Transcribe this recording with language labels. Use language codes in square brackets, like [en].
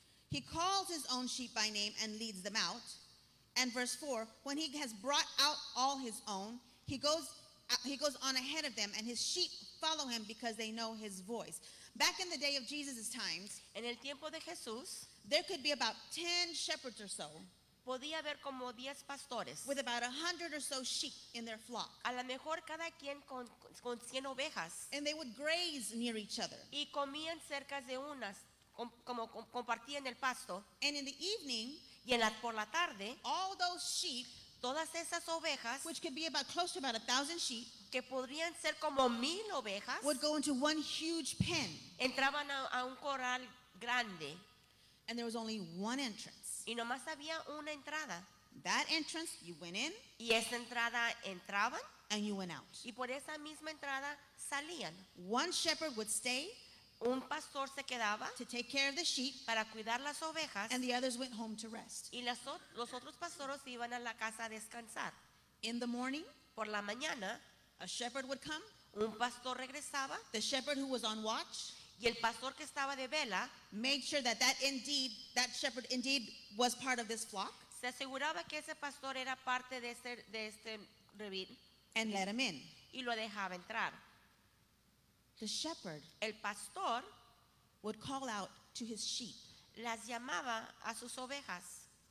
[en] He calls his own sheep by name and leads them out. And verse 4, when he has brought out all his own, he goes on ahead of them, and his sheep follow him because they know his voice. Back in the day of Jesus' times, [es] en el tiempo de Jesús, [en] there could be about 10 shepherds or so, [es] podía haber como 10 pastores, [en] with about 100 or so sheep in their flock. [es] A lo mejor cada quien con 100 ovejas. [en] And they would graze near each other. [es] Y comían cerca de unas, como compartían el pasto. [en] And in the evening, [es] y en la, por la tarde, [en] all those sheep, [es] todas esas ovejas, [en] which could be about close to about 1,000 sheep, [es] que podrían ser como 1,000 ovejas, [en] would go into one huge pen. [es] Entraban a un corral grande. [en] And there was only one entrance. [es] Y nomás había una entrada. [en] That entrance, you went in. [es] Y esa entrada entraban. [en] And you went out. [es] Y por esa misma entrada salían. [en] One shepherd would stay. [es] Un pastor se quedaba. [en] To take care of the sheep. [es] Para cuidar las ovejas. [en] And the others went home to rest. [es] Y los otros pastores iban a la casa a descansar. [en] In the morning. [es] Por la mañana. [en] A shepherd would come. [es] Un pastor regresaba. [en] The shepherd who was on watch. [es] Y el pastor que estaba de vela. [en] Made sure that that shepherd indeed was part of this flock. [es] Se aseguraba que ese pastor era parte de este rebaño. [en] And let him in. [es] Y lo dejaba entrar. [en] The shepherd, [es] el pastor, [en] would call out to his sheep. [es] Las llamaba a sus ovejas.